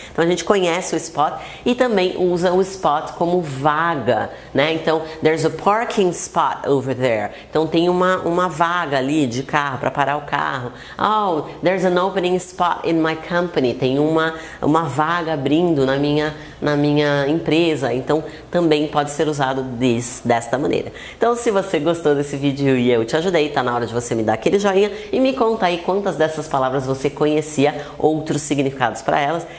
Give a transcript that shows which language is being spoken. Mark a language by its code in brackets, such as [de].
[pt] Então a gente conhece o spot e também usa o spot como vaga, né? [en] Então, there's a parking spot over there. [pt] Então tem uma vaga ali de carro para parar o carro. [en] Oh, there's an opening spot in my company. [pt] Tem uma vaga abrindo na minha empresa. Então também pode ser usado desta maneira. Então, se você gostou desse vídeo e eu te ajudei, tá na hora de você me dar aquele joinha e me conta aí quantas dessas palavras você conhecia, outros significados para elas.